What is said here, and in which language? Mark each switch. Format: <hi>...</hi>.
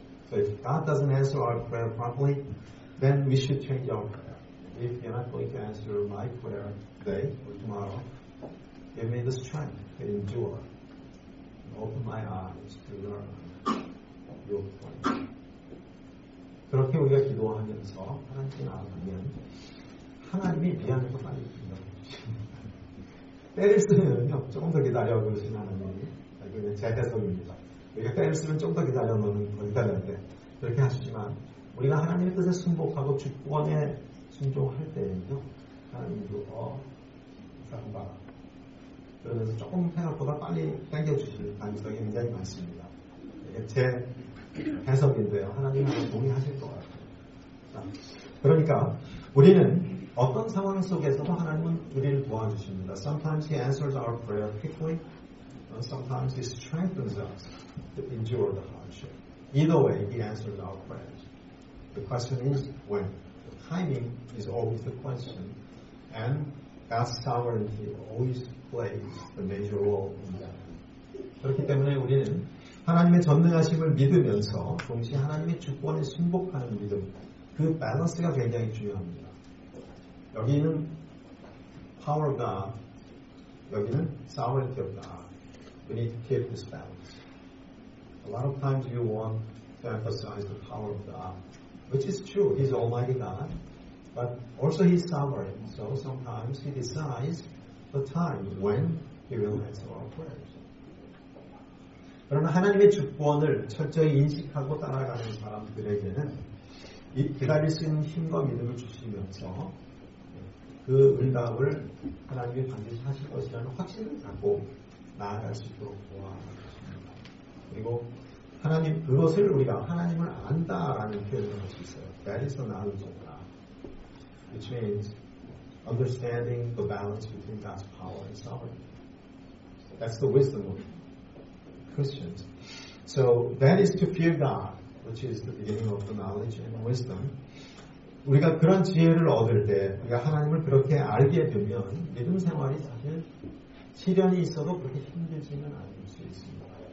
<en>So if God doesn't answer our prayer promptly, then we should change our prayer. If you're not going to answer my prayer today or tomorrow, give me the strength to endure and open my eyes to learn your plan.</en> <ko>그렇게 우리가 기도하면서 하나님께 나아가면 하나님이 미안해서 빨리 기도합니다. 때를 쓰면요, 조금 더 기다려 그러신 하나님이 그게 제 해석입니다. 우리가 때를 쓰면 좀 더 기다려 놓는 거니까 그렇게 하시지만 우리가 하나님의 뜻에 순복하고 주권에 순종할 때에는요, 하나님도 잠깐만 그러면서 조금 생각보다 빨리 당겨주실 가능성이 굉장히 많습니다. 이게 제 해석인데요. 하나님은 동의하실 것 같아요. 자, 그러니까 우리는 어떤 상황 속에서도 하나님은 우리를 도와주십니다.</ko> <en>Sometimes He answers our prayer quickly. Sometimes He strengthens us to endure the hardship. Either way, He answers our prayers. The question is when. The timing is always the question. And God's sovereignty always plays the major role in that.</en> <ko>그렇기 때문에 우리는 하나님의 전능하심을 믿으면서 동시에 하나님의 주권에 순복하는 믿음, 그 밸런스가 굉장히 중요합니다.</ko> <en>여기는 power of God, 여기는 sovereignty of God. We need to keep this balance. A lot of times you want to emphasize the power of God, which is true, He's Almighty God, but also He's sovereign. So sometimes He decides the time when He will answer our prayers.</en> <ko>그러나 하나님의 주권을 철저히 인식하고 따라가는 사람들에게는 이 기다릴 수 있는 힘과 믿음을 주시면서 그 응답을 하나님이 반드시 하실 것이라는 확신을 갖고 나아갈 수 있도록 도와드립니다. 그리고 하나님, 그것을 우리가 하나님을 안다라는 표현을 할 수 있어요.</ko> <en>That is the knowledge of God. Which means understanding the balance between God's power and sovereignty. That's the wisdom of Christians. So that is to fear God, which is the beginning of the knowledge and wisdom.</en> <ko>우리가 그런 지혜를 얻을 때, 우리가 하나님을 그렇게 알게 되면 믿음 생활이 사실 시련이 있어도 그렇게 힘들지는 않을 수 있습니다.</ko>